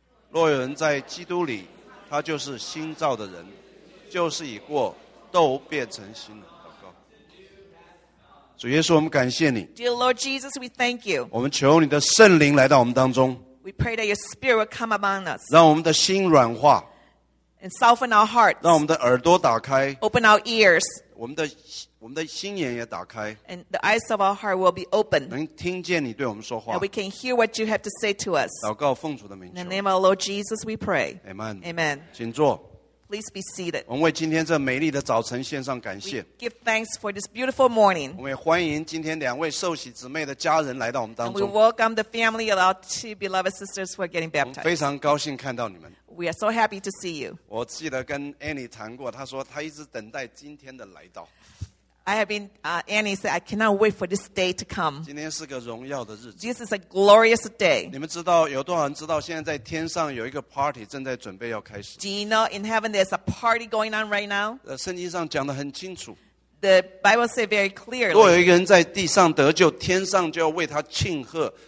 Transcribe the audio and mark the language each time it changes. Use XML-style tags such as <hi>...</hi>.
<zh>若有人在基督里, 他就是新造的人。旧事已过, 都变成新了。主耶稣, 我们感谢你。</zh> <en>Dear Lord Jesus, we thank you.</en> <zh>我们求你的圣灵来到我们当中。</zh> <en>We pray that your spirit will come among us.</en> <zh>让我们的心软化。</zh> <en>And soften our hearts.</en> <zh>让我们的耳朵打开。</zh> <en>Open our ears.</en> <zh>我们的心眼也打开。</zh> <en>And the eyes of our heart will be open.</en> <zh>能听见你对我们说话。</zh> <en>And we can hear what you have to say to us.</en> <zh>祷告奉主的名求。</zh> <en>In the name of our Lord Jesus, we pray. Amen. Amen.</en> <zh>请坐。</zh> <en>Please be seated.</en> <zh>我们为今天这美丽的早晨献上感谢。</zh> <en>We give thanks for this beautiful morning.</en> <zh>我们也欢迎今天两位受洗姊妹的家人来到我们当中。</zh> <en>And we welcome the family of our two beloved sisters who are getting baptized.</en> <zh>我们非常高兴看到你们。</zh> <en>We are so happy to see you.</en> <zh>我记得跟Annie谈过, 她说她一直等待今天的来到。</zh> <en>I have been, Annie said, I cannot wait for this day to come.</en> <zh>今天是个荣耀的日子。</zh> <en>This is a glorious day.</en> <zh>你们知道有多少人知道现在在天上有一个party正在准备要开始。</zh> <en>Do you know in heaven there's a party going on right now?</en> <zh>圣经上讲得很清楚。</zh> <en>The Bible says very clearly.</en> <zh>若有一个人在地上得救, 天上就要为他庆贺。</zh>